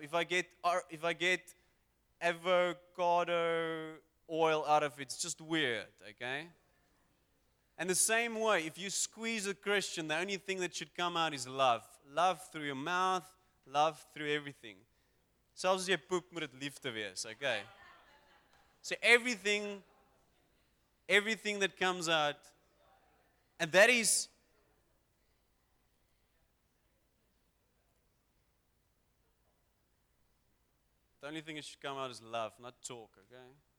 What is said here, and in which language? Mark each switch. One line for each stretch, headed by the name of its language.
English: If I get avocado oil out of it, it's just weird, okay? And the same way, if you squeeze a Christian, the only thing that should come out is love. Love through your mouth, love through everything.
Afrikaans: Selfs jy poep moet dit liefde wees, okay?
English: So everything that comes out, and that is, the only thing that should come out is love, not talk, okay?